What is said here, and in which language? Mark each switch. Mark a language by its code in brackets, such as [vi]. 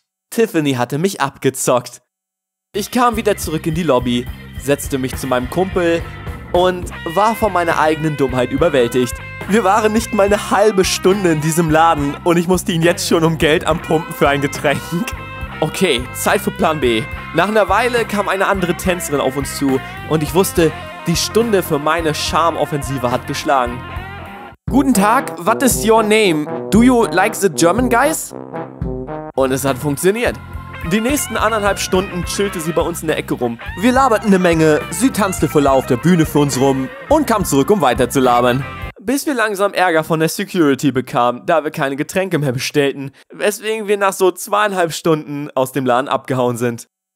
[de] Tiffany hatte mich abgezockt. Ich kam wieder zurück in die Lobby, setzte mich zu meinem Kumpel und war von meiner eigenen Dummheit überwältigt. Wir waren nicht mal eine halbe Stunde in diesem Laden und ich musste ihn jetzt schon um Geld am Pumpen für ein Getränk. Okay, Zeit für Plan B. Nach einer Weile kam eine andere Tänzerin auf uns zu und ich wusste, die Stunde für meine Charmoffensive hat geschlagen. Guten Tag, [en] what is your name? Do you like the German guys? [de] Und es hat funktioniert. Die nächsten anderthalb Stunden chillte sie bei uns in der Ecke rum. Wir laberten eine Menge, sie tanzte voll auf der Bühne für uns rum und kam zurück, um weiter zu labern. Bis wir langsam Ärger von der Security bekamen, da wir keine Getränke mehr bestellten, weswegen wir nach so 2,5 Stunden aus dem Laden abgehauen sind.